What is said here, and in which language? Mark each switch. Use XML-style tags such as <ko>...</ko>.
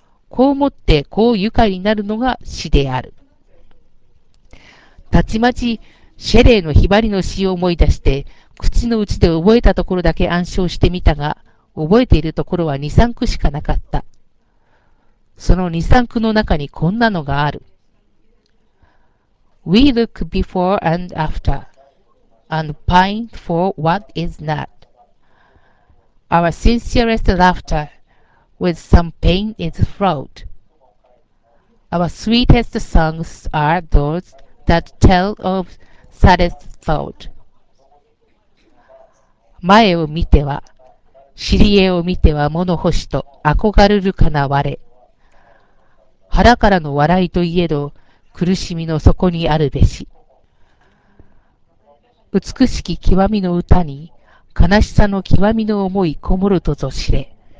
<ja>こう思ってこう愉快になるのが死である。たちまちシェレーのひばりの詩を思い出して、口の内で覚えたところだけ暗唱してみたが、覚えているところは二三句しかなかった。その二三句の中にこんなのがある。</ja> <en>We look before and after, and pine for what is not. Our sincerest laughter with some pain is fraught. Our sweetest songs are those that tell ofSaddest thought.</en> <ja>前を見ては、尻柄を見ては物欲しと憧れるかな我。腹からの笑いといえど、苦しみの底にあるべし。美しき極みの歌に、悲しさの極みの思いこもるとぞ知れ。</ja>